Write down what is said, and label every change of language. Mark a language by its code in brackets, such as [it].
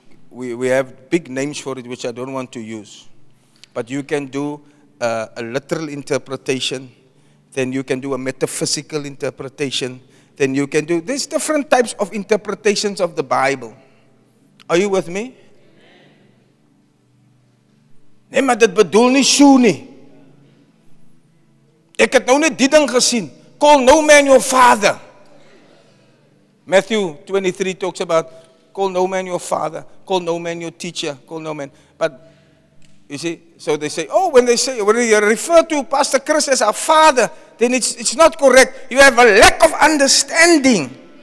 [en] We have big names for it, which I don't want to use. But you can do a literal interpretation, then you can do a metaphysical interpretation, then you can do, there's different types of interpretations of the Bible. Are you with me? [af] Nee, maar dit bedoel nie so nie. Ek het nou net die ding gesien. [en] Call no man your father. Matthew 23 talks about, call no man your father, call no man your teacher, call no man. But you see, so they say, oh, when you refer to Pastor Chris as our father, then it's not correct. You have a lack of understanding.